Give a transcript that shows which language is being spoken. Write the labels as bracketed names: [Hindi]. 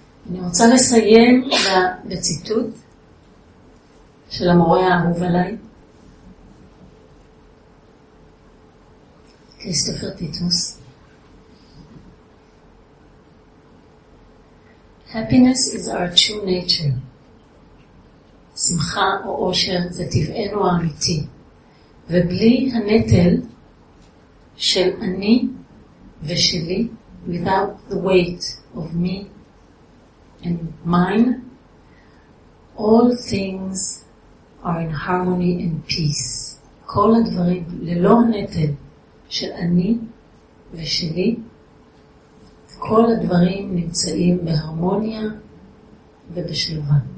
[Hebrew] אני רוצה לסיים בציטוט של המורה האהוב עליי, כריסטופר טיטוס. [English] Happiness is our true nature. [Hebrew] שמחה או אושר זה טבענו האמיתי. ובלי הנטל של אני ושלי, [English] without the weight of me and mine, all things are in harmony and peace. [Hebrew] כל הדברים ללא הנטל של אני ושלי, כל הדברים נמצאים בהרמוניה ובשלווה.